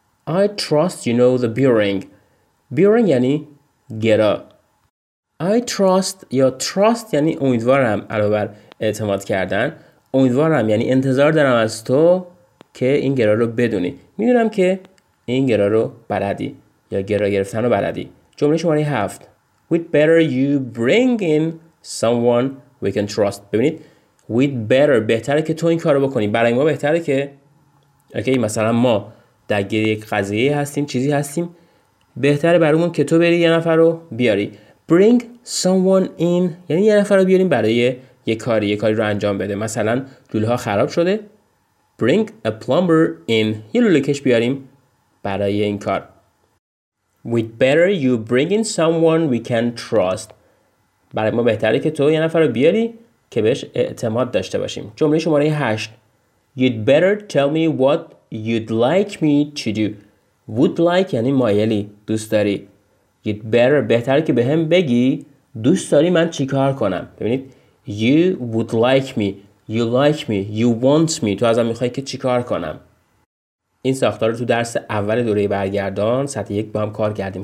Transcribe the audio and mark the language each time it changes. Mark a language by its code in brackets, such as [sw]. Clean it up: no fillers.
[en] I trust you know the bearing. bearing [fa] یعنی گرا. I trust یا trust یعنی امیدوارم، علاوه بر اعتماد کردن امیدوارم یعنی انتظار دارم از تو که این گرا رو بدونی، میدونم که این گرا رو بلدی یا گرا گرفتن رو بلدی. جمله شماره 7. [en] we'd better you bring in someone we can trust. [fa] ببینید we'd better بهتره که تو این کار رو بکنی، برای ما بهتره که اوکی مثلا ما درگیر یک قضیه هستیم، چیزی هستیم، بهتره برامون که تو بری یه نفر رو بیاری. bring someone in یعنی یه نفر رو بیاریم برای یه کاری رو انجام بده. مثلا لوله ها خراب شده، [en] bring a plumber in [fa] یه لوله کش بیاریم برای این کار. [en] we'd better you bring in someone we can trust. [fa] برای ما بهتره که تو یه نفر رو بیاری که بهش اعتماد داشته باشیم. جمله شماره 8. [en] you'd better tell me what you'd like me to do. [fa] would like یعنی مایلی، دوست داری. you'd better بهتره که به هم بگی دوست داری من چی کار کنم. ببینید [en] you would like me you want me [fa] تو ازم میخوای که چی کار کنم. این ساختار رو تو درس اول دوره برگردان سطح 1 با هم کار کردیم.